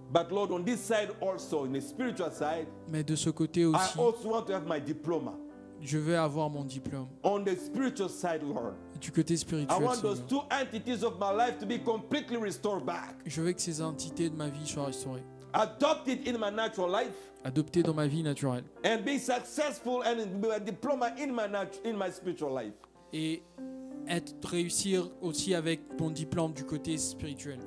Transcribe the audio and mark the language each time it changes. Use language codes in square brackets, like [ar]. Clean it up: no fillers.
[en] But Lord, on this side also, in the spiritual side, [fr] mais de ce côté aussi, [en] I also want to have my diploma. [fr] Je veux avoir mon diplôme. [en] On the spiritual side, Lord. [fr] Du côté spirituel, [en] I want those two entities of my life to be completely restored back. [fr] Je veux que ces entités de ma vie soient restaurées. [en] Adopted in my natural life. [fr] Adopté dans ma vie naturelle. [en] And be successful and be a diploma in my spiritual life. [fr] Et être réussir aussi avec mon diplôme du côté spirituel.